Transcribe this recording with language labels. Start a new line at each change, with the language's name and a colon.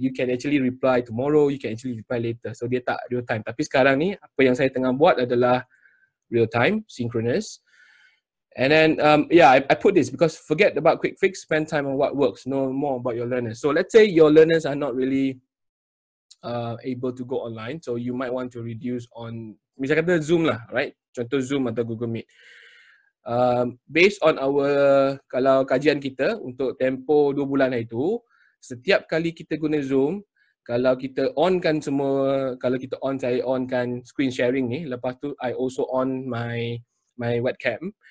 English: You can actually reply tomorrow, you can actually reply later.
Malay: So dia tak real time. Tapi sekarang ni, apa yang saya tengah buat adalah real time, synchronous.
English: And then, I put this because forget about quick fix, spend time on what works, know more about your learners. So let's say your learners are not really able to go online. So you might want to reduce on,
Malay: misalnya kata
English: Zoom lah, right?
Malay: Contoh Zoom atau Google Meet.
English: Based on our,
Malay: kalau kajian kita untuk tempoh 2 bulan hari tu, setiap kali kita guna Zoom, kalau kita onkan semua, kalau kita on, saya onkan screen sharing ni, lepas tu
English: I also on my webcam.